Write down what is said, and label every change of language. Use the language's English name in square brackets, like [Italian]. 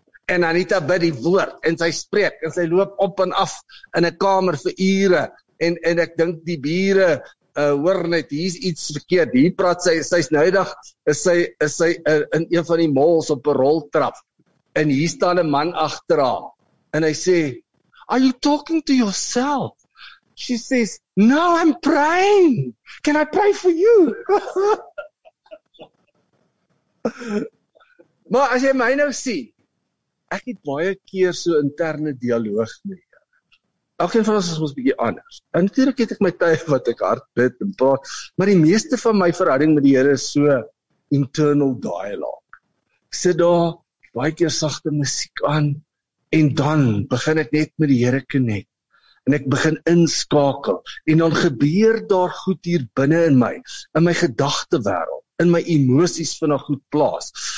[Afrikaans] En Anita bid die woord, en sy spreek, en sy loop op en af in 'n kamer vir ure, en ek dink die bure hoor net, hier is iets verkeerd, hier praat sy, sy is nuidig, is sy in een van die malls op 'n roltrap, en hier staan 'n man agter haar, en hy sê, [English] are you talking to yourself? She says, no, I'm praying, can I pray for you? [Afrikaans] Maar as jy my nou sien, ek het baie keer so interne dialoog met die Here. Elkeen van ons is mos bietjie anders. En natuurlik het ek my tye wat ek hard bid en praat, maar die meeste van my verhouding met die Here is so [English] internal dialogue. [Afrikaans] Ek sit daar, baie keer sagte musiek aan en dan begin ek net met die Here connect. En ek begin inskakel en dan gebeur daar goed hier binne in my gedagtewêreld. In my emosies vinnig goed plaas.